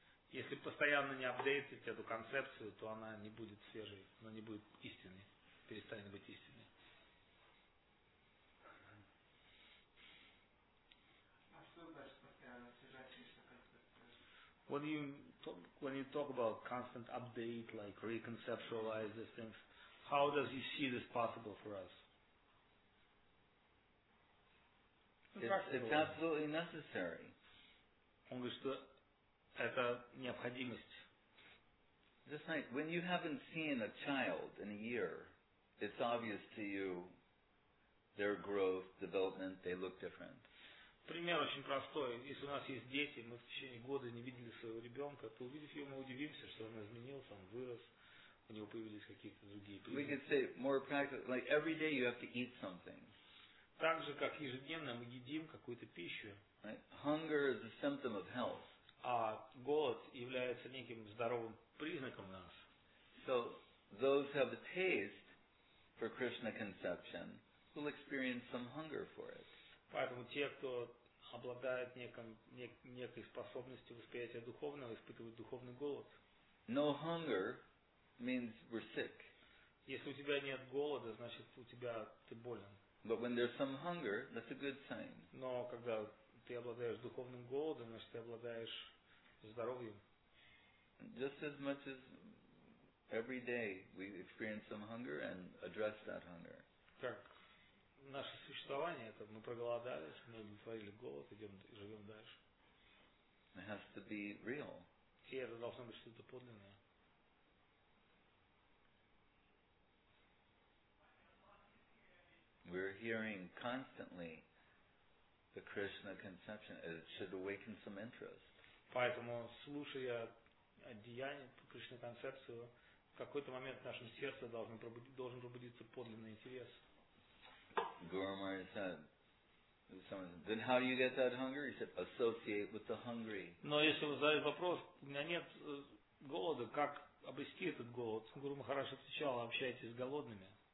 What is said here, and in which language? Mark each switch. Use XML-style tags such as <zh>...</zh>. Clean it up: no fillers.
<ru>Если постоянно не апдейтить эту концепцию, то она не будет свежей, она не будет истинной, перестанет быть истинной. А что значит постоянно освежать Кришна концепцию?</ru> <en>When you talk about constant update, like reconceptualize these things, how does he see this possible for us? It's absolutely necessary.</en> <ru>Он говорит, что это необходимость.</ru> <en>Just like when you haven't seen a child in a year, it's obvious to you their growth, development, they look different.</en> <ru>Пример очень простой. Если у нас есть дети, мы в течение года не видели своего ребенка, то увидев его, мы удивимся, что он изменился, он вырос, у него появились какие-то другие признаки.</ru> <en>We could say more practical, like every day you have to eat something.</en> <ru>Так же, как ежедневно мы едим какую-то пищу.</ru> <en>Right? Hunger is a symptom of health.</en> <ru>А голод является неким здоровым признаком нас.</ru> <en>So those have a taste for Krishna conception will experience some hunger for it.</en> <ru>Поэтому те, кто обладает некой способностью восприятия духовного, испытывают духовный голод.</ru> <en>No hunger means we're sick.</en> <ru>Если у тебя нет голода, значит у тебя ты болен.</ru> <en>But when there's some hunger, that's a good sign.</en> <ru>Но когда ты обладаешь духовным голодом, значит, ты обладаешь здоровьем.</ru> <en>Just as much as every day we experience some hunger and address that hunger.</en> <ru>Как наше существование, это мы проголодались, мы удовлетворили голод, идем и живем дальше.</ru> <en>It has to be real.</en> <ru>И это должно быть что-то подлинное.</ru> <en>We're hearing constantly the Krishna conception, it should awaken some interest.</en> <ru>Поэтому, слушая деяния Кришна концепцию, в какой-то момент в нашем сердце должен пробудиться подлинный интерес.</ru> <en>Guru Maharaj said, then how do you get that hunger? He said, associate with the hungry.</en> <ru>Но если вы задаете вопрос, у меня нет голода, как обрести этот голод? Гуру Махарадж отвечал, общайтесь с голодными.</ru>